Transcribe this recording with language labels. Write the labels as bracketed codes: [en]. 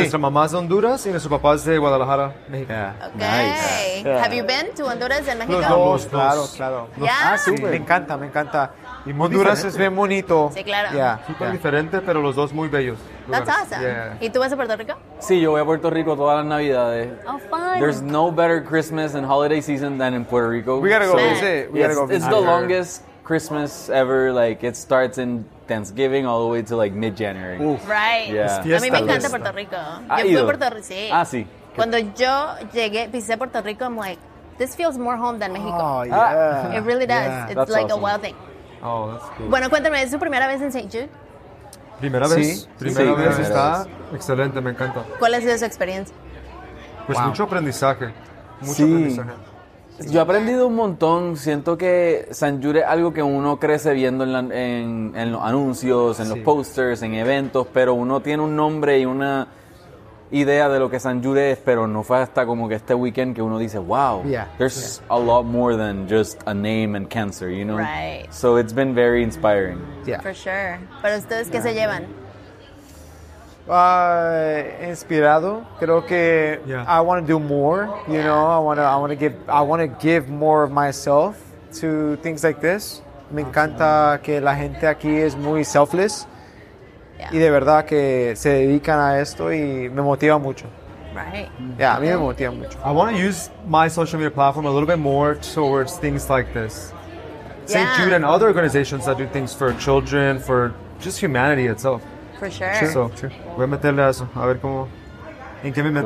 [es] Nuestra mamá es de Honduras y nuestro papá es de Guadalajara, México. [en] Yeah. Okay. Nice. Yeah. Have you been to Honduras and México? [es] Los dos. Claro. [en] Yeah. [es] Ah, sí. Me encanta. Y Honduras es bien bonito. Sí, claro. [en] Yeah. [es] Súper diferente, pero los dos muy bellos. [en] That's awesome. Yeah. [es] ¿Y tú vas a Puerto Rico? Sí, yo voy a Puerto Rico todas las Navidades. [en] Oh, fun. There's no better Christmas and holiday season than in Puerto Rico. We gotta go visit. So, it's the longest Christmas ever. It starts in Thanksgiving all the way to mid-January. Oof. Right. Yeah. [es] A mí me encanta Puerto Rico. Yo fui a Puerto Rico, sí. Ah, sí. Cuando yo llegué, pisé [en] Puerto Rico, I'm like, this feels more home than Mexico. Oh, yeah. It really does. Yeah. It's awesome. A wild thing. Oh, that's cool. [es] Bueno, cuéntame, ¿es su primera vez en St. Jude? Primera vez. Está excelente, me encanta. ¿Cuál ha sido su experiencia? Pues wow. Mucho aprendizaje. Yo he aprendido un montón. Siento que St. Jude es algo que uno crece viendo en los anuncios, en los posters, en eventos, pero uno tiene un nombre y una idea de lo que San Jude es, pero no fue hasta como que este weekend que uno dice, wow, [en] yeah. there's yeah. a lot more than just a name and cancer, you know? Right. So it's been very inspiring. Yeah. For sure. [es] ¿Pero ustedes qué se llevan? Inspirado. Creo que [en] yeah. I want to do more, you yeah. know? I want to give more of myself to things like this. [es] Me encanta que la gente aquí es muy selfless. [en] Yeah. [es] Y de verdad que se dedican a esto y me motiva mucho. [en] Right. [es] Yeah, a mí me motiva mucho. [en] I want to use my social media platform a little bit more towards things like this. Yeah. St. Jude and other organizations that do things for children, for just humanity itself. For sure. [es] So, voy a meterle a eso, a ver cómo, en qué me meto.